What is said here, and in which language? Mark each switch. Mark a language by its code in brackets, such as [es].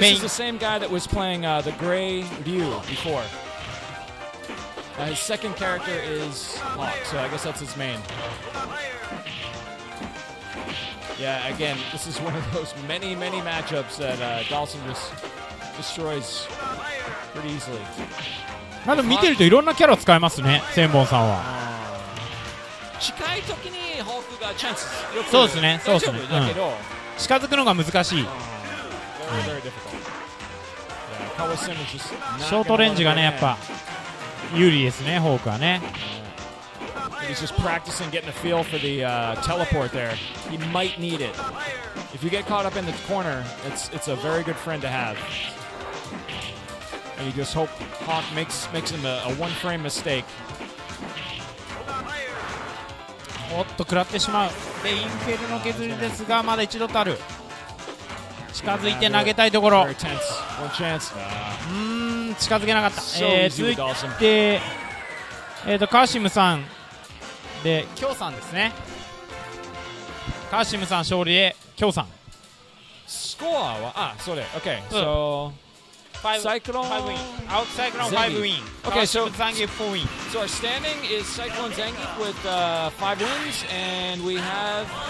[en] This is the same guy that was playing the gray Ryu before. His second character is Hawk, so I guess that's his main. Yeah, again, this is one of those many, many matchups that Dawson just destroys pretty easily. [ja] まあでも見てるといろんなキャラ使えますね、千本さんは。近い時にホークがチャンスよく。そうですね、そうですね。だけど、近づくのが難しい。 [en] Very difficult. Yeah, Kawasim is just not [ja] ショートレンジがね、やっぱ。有利ですね、ホークはね。 [en] He's just practicing getting a feel for the teleport there. He might need it. If you get caught up in the corner, it's a very good friend to have. And you just hope Hawk makes him a one frame mistake. [ja] おっと、食らってしまう。で、インフェルの削りですが、まだ一度たる。近づいて投げたいところ。 [en] Very tense. One chance. [ja] 近づけなかった。続いて、カーシムさんで、キョウさんですね。カーシムさん勝利で、キョウさん。スコアは、あ、それ、OK、そう。サイクロン、アウトサイクロン、ファイブウィン。 OK、そう。ザンギフ、フォーウィン。 [en] So our standing is サイクロン、ザンギフ with five wins, and we have